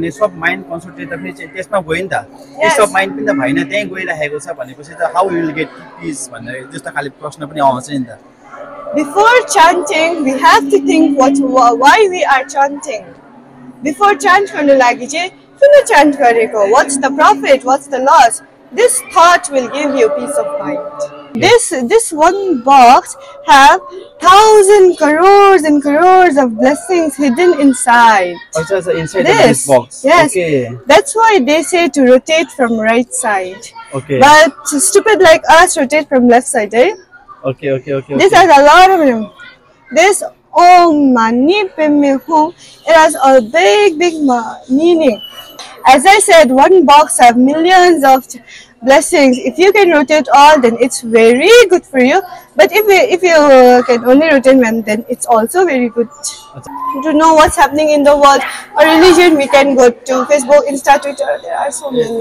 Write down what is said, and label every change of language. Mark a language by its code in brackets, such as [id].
[ne] अनि सब mind concentrate पनि चाहिँ त्यसमा गयो नि त, सब माइन्ड पनि त भएन त्यहीँ गइरहेको छ भनेपछि त [en] how will get peace [ne] भन्ने जस्तो खालि प्रश्न पनि आउँछ नि त. [en] Before chanting we have to think what why we are chanting. Before chant [ne] गर्नु लागि चाहिँ किन चान्ट गरेको, [en] What's the profit, what's the loss, this thought will give you peace of mind. This one box have 1000 crores and crores of blessings hidden inside. अच्छा, inside this box. Yes, okay, that's why they say to rotate from right side. Okay, but stupid like us rotate from left side. Okay this has a lot of room. This Om Mani Padme Hum, it has a big meaning. As I said, one box have millions of blessings. If you can rotate all, then it's very good for you, but if you can only rotate one, then it's also very good. To know what's happening in the world or religion, we can go to Facebook, Insta, Twitter, there are so many.